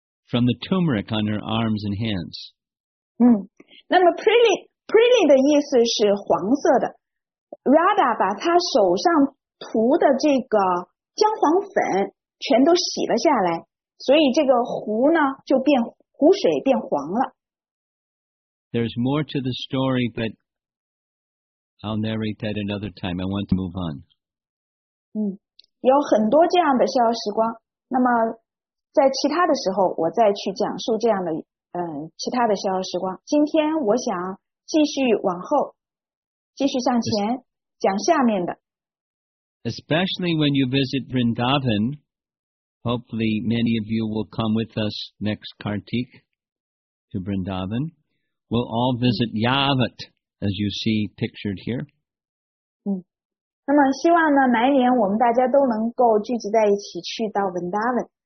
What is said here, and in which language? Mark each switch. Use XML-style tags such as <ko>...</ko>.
<en>From the turmeric on her arms and hands.</en> <zh>那么 Prilly 的意思是黄色的。 Radha 把她手上涂的这个姜黄粉全都洗了下来，所以这个壶呢就变壶水变黄了。</zh> <en>There's more to the story, but I'll narrate that another time. I want to move on.</en> <zh>有很多这样的逍遥时光。那么在其他的时候我再去讲述这样的其他的逍遥时光。今天我想继续往后继续向前讲下面的。</zh> <en>Especially when you visit Vrindavan, hopefully many of you will come with us next Kartik to Vrindavan. We'll all visit Yavat, as you see pictured here.</en> <zh>那么希望呢来年我们大家都能够聚集在一起去到 Vrindavan。</zh>